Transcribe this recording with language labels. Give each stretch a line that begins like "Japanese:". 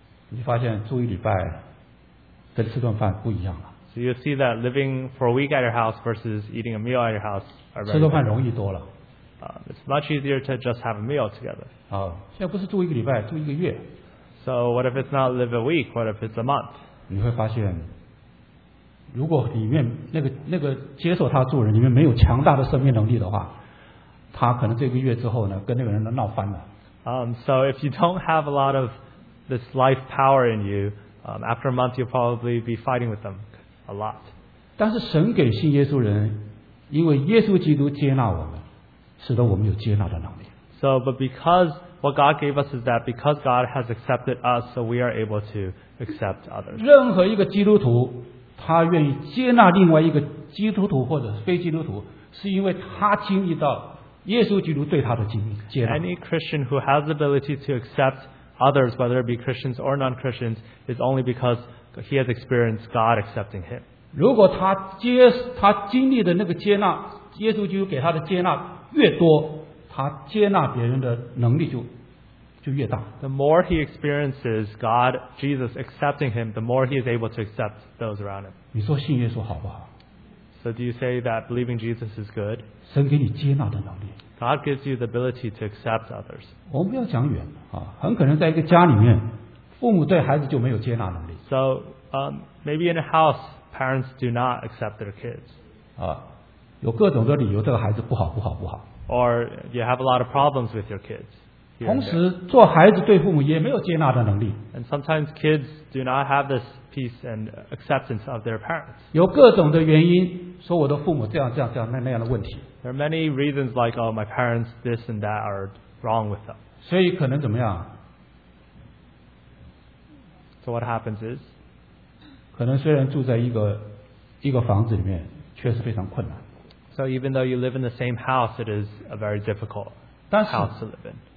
Chinese: 你发现住一礼拜跟吃顿饭不一样了。
English: So you see that living for a week at your house versus eating a meal at your house are very different.
Chinese: 吃顿饭容易多了。
English: It's much easier to just have a meal together.
Chinese: 现在不是住一个礼拜，住一个月。
English: So what if it's not live a week? What if it's a month?
Chinese: 你会发现，如果里面那个接受他住人里面没有强大的生命能力的话，他可能这个月之后呢，跟那个人都闹翻了。
English: So if you don't have a lot of this life power in you, after a month you'll probably be fighting with them a lot.
Chinese: 但是神给信耶稣人，因为耶稣基督接纳我们，使得我们有接纳的能力。
English: So, but because what God gave us is that because God has accepted us, so we are able to accept others.
Chinese: 任何一个基督徒, 他愿意接纳另外一个基督徒或者非基督徒, 是因为他经历到耶稣基督对他的接纳。
English: Any Christian who has the ability to accept others, whether it be Christians or non-Christians, is only because he has experienced God accepting him.
Chinese: 如果他经历的那个接纳, 耶稣基督给他的接纳越多, 他接纳别人的能力就越大。
English: The more he experiences God, Jesus accepting him, the more he is able to accept those around him.
Chinese: 你说信耶稣好不好?
English: So do you say that believing Jesus is good?
Chinese: 神给你接纳的能力。
English: God gives you the ability to accept others.
Chinese: 我们不要讲远, 很可能在一个家里面, 父母对孩子就没有接纳能力。
English: So maybe in a house, parents do not accept their kids.
Chinese: 有各种的理由,这个孩子不好,不好,不好。
English: Or you have a lot of problems with your kids.
Chinese: 同时,做孩子对父母也没有接纳的能力。
English: And sometimes kids do not have this peace and acceptance of their parents.
Chinese: 有各种的原因,说我的父母这样,这样,这样,那样的问题。
English: There are many reasons like, oh, my parents, this and that are wrong with them.
Chinese: 所以可能怎么样?
English: So what happens is?
Chinese: 可能虽然住在一个房子里面, 确实非常困难。
English: So even though you live in the same house, it is a very difficult house to live in.